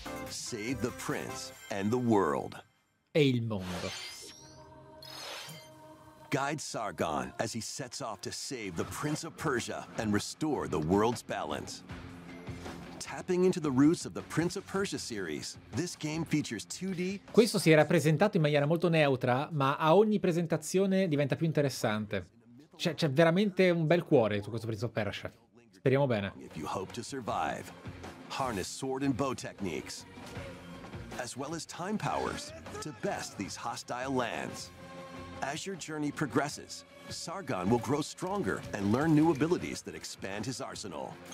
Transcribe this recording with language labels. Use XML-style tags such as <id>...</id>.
<en>Save the prince and the world.</en> <it>E il mondo.</it> <en>Guide Sargon as he sets off to save the Prince of Persia and restore the world's balance. Tapping into the roots of the Prince of Persia series, this game features 2D.</en> <it>Questo si era presentato in maniera molto neutra, ma a ogni presentazione diventa più interessante. C'è veramente un bel cuore su questo Prince of Persia. Speriamo bene.</it> <en>If you hope to survive, harness sword and bow techniques, as well as time powers, to best these hostile lands. As your journey progresses, Sargon will grow stronger and learn new abilities that expand his arsenal.</en>